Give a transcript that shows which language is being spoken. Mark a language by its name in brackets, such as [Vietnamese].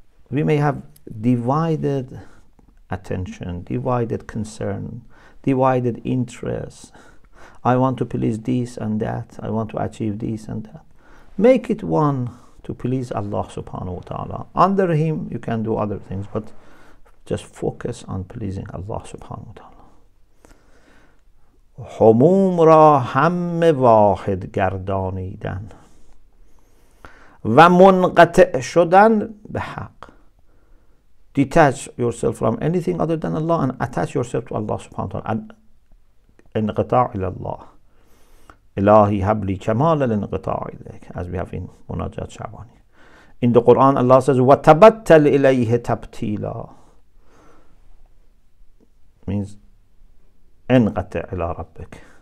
[English] We may have divided attention, divided concern, divided interest. I want to please this and that. I want to achieve this and that. Make it one to please Allah subhanahu wa ta'ala. Under Him, you can do other things, but just focus on pleasing Allah subhanahu wa ta'ala. [Persian] حموم را هم واحد گردانیدن و منقطع شدن به حق. [English] Detach yourself from anything other than Allah and attach yourself to Allah subhanahu wa ta'ala. [Arabic] انقطاع الله. الهی حبلی کمال الانقطاع الیک. [English] As we have in مناجات شعبانی. In the Quran Allah says [Arabic] وَتَبَتَّلْ إِلَيْهِ تَبْتِيلًا [English] means [Arabic] انقطع الى ربك.